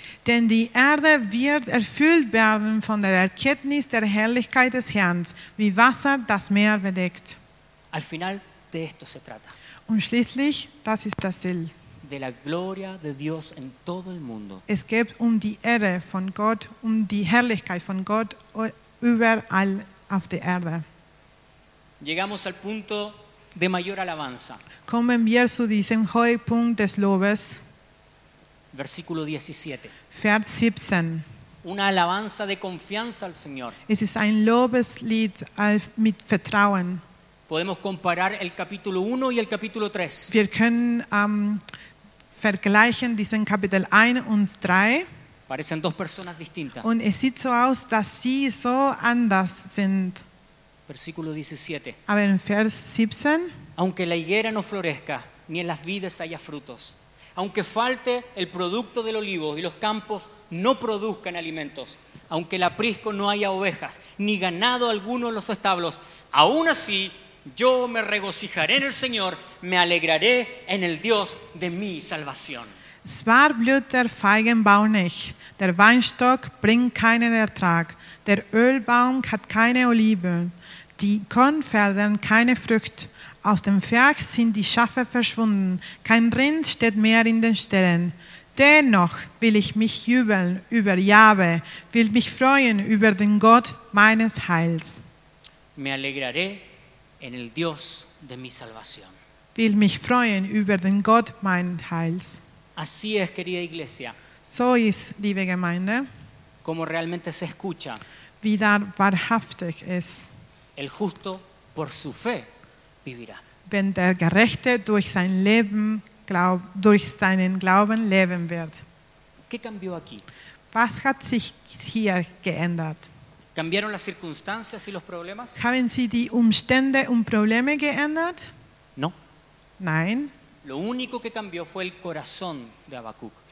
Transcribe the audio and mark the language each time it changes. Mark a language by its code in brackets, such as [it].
[de] Denn die Erde wird erfüllt werden von der Erkenntnis der Herrlichkeit des Herrn, wie Wasser das Meer bedeckt. [es] Al final, de esto se trata. [de] Und schließlich, das ist das Ziel. [es] De la gloria de Dios en todo el mundo. [de] Es geht um die Ehre von Gott, um die Herrlichkeit von Gott überall auf der Erde. [es] Llegamos al punto de mayor alabanza. [de] Kommen wir zu diesem Höhepunkt des Lobes. [es] Versículo 17. [de] Vers 17. [es] Una alabanza de confianza al Señor. [de] Es ist ein Lobeslied mit Vertrauen. [es] Podemos comparar el capítulo 1 y el capítulo 3. [de] Wir können vergleichen diesen Kapitel 1 und 3. [es] Parecen dos personas distintas. [de] Und es sieht so aus, dass sie so anders sind. [es] Versículo 17. A ver, [de] Vers 17. [es] Aunque la higuera no florezca, ni en las vides haya frutos. Aunque falte el producto del olivo y los campos no produzcan alimentos. Aunque el aprisco no haya ovejas, ni ganado alguno en los establos. Aún así, yo me regocijaré en el Señor, me alegraré en el Dios de mi salvación. [de] Zwar blüht der Feigenbaum nicht, der Weinstock bringt keinen Ertrag, der Ölbaum hat keine Oliven, die Kornfelder keine Frucht, aus dem Pferd sind die Schafe verschwunden, kein Rind steht mehr in den Ställen. Dennoch will ich mich jubeln über Jahwe, will mich freuen über den Gott meines Heils. [es] Me alegraré en el Dios de mi salvación. [de] Will mich freuen über den Gott meines Heils. [es] Así es, querida iglesia. [de] So ist, liebe Gemeinde. [es] Como realmente se escucha. [de] Wie da wahrhaftig ist. [es] El justo por su fe vivirá. [de] Wenn der Gerechte durch sein Leben durch seinen Glauben leben wird. [es] ¿Qué cambió aquí? [de] Was hat sich hier geändert? [es] ¿Cambiaron las circunstancias y los problemas? [de] Haben sie die Umstände und Probleme geändert? [es] No. [de] Nein. [es] Lo único que cambió fue el corazón de Habacuc.